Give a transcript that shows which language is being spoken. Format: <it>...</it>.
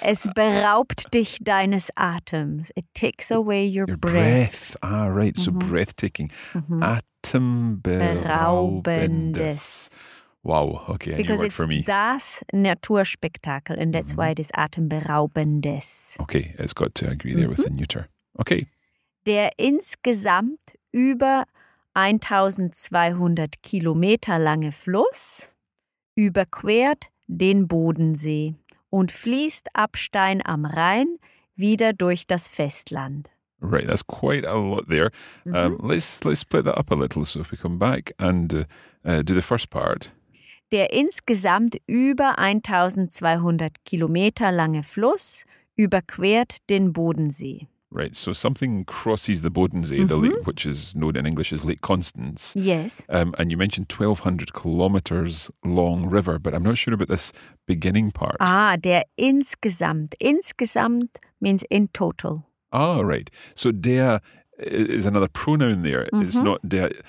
<de>Es beraubt dich deines Atems.</de> <en>It takes away your breath. Ah, right. Mm-hmm. So breathtaking. Mm-hmm.</en> <de>Atemberaubendes. Wow. Okay.</de> <en>Because it's for me.</en> <de>Das Naturspektakel,</de> <en>and that's, mm-hmm, why it is atemberaubendes. Okay. It's got to agree there, mm-hmm, with the neuter. Okay.</en> <de>Der insgesamt über 1200 Kilometer lange Fluss überquert den Bodensee und fließt ab Stein am Rhein wieder durch das Festland.</de> <en>Right, that's quite a lot there. Mm-hmm. Let's split that up a little, so if we come back and do the first part.</en> <de>Der insgesamt über 1200 Kilometer lange Fluss überquert den Bodensee.</de> <en>Right, so something crosses the Bodensee, mm-hmm, the lake, which is known in English as Lake Constance. Yes. And you mentioned 1,200 kilometers long river, but I'm not sure about this beginning part. Ah,</en> <de>der insgesamt.</de> <en>Insgesamt means in total. Ah, right. So der is another pronoun there. Mm-hmm. It's not der.</en>